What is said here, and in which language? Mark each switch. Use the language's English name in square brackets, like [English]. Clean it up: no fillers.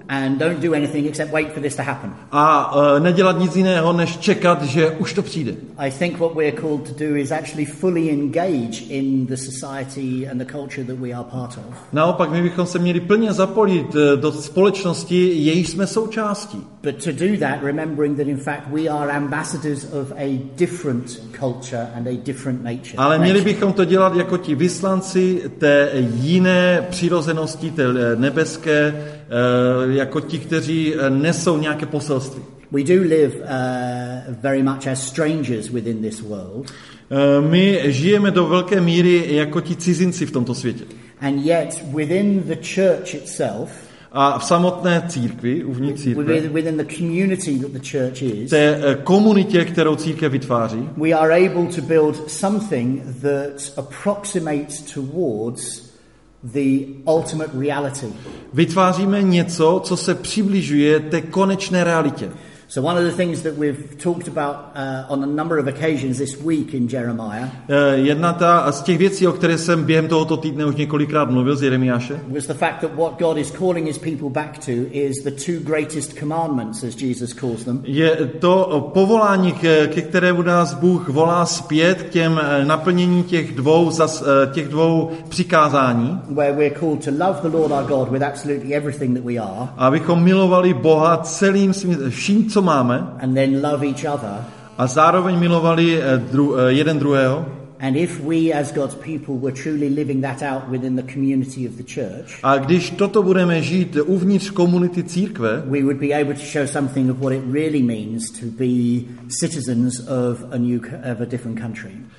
[English] And don't do anything except wait for this to happen. [Czech] A nedělat nic jiného, než čekat, že už to přijde. [English] I think what we're called to do is actually fully engage in the society and the culture that we are part of. [Czech] Naopak, my bychom se měli plně zapojit do společnosti, jejíž jsme součástí. [English] But to do that, remembering that in fact we are ambassadors of a different culture and a different nature. [Czech] Ale měli bychom to dělat jako ti vyslanci té jiné přirozenosti, té nebeské, jako ti, kteří nesou nějaké poselství. [English] We do live very much as strangers within this world. [Czech] My žijeme do velké míry jako ti cizinci v tomto světě. [English] And yet within the church itself, [Czech] a v samotné církvi, uvnitř církve, [English] within the community that the church is, [Czech] té komunitě, kterou církev vytváří, [English] we are able to build something that approximates towards the ultimate reality. [Czech] Vytváříme něco, co se přibližuje té konečné realitě. [English] So one of the things that we've talked about on a number of occasions this week in Jeremiah. [Czech] Jedna ta z těch věcí, o které jsem během tohoto týdne už několikrát mluvil z Jeremiáše. [English] Was the fact that what God is calling his people back to is the two greatest commandments, as Jesus calls them. [Czech] Je to povolání, ke kterému nás Bůh volá zpět, k těm naplnění těch dvou přikázání. [English] Where we're called to love the Lord our God with absolutely everything that we are. [Czech] Abychom milovali Boha celým vším, co máme, [English] and then love each other. [Czech] A zároveň milovali jeden druhého. [English] And if we as God's people were truly living that out within the community of the church, [Czech] a když toto budeme žít uvnitř komunity církve, [English] we would be able to show something of what it really means to be citizens of a different country.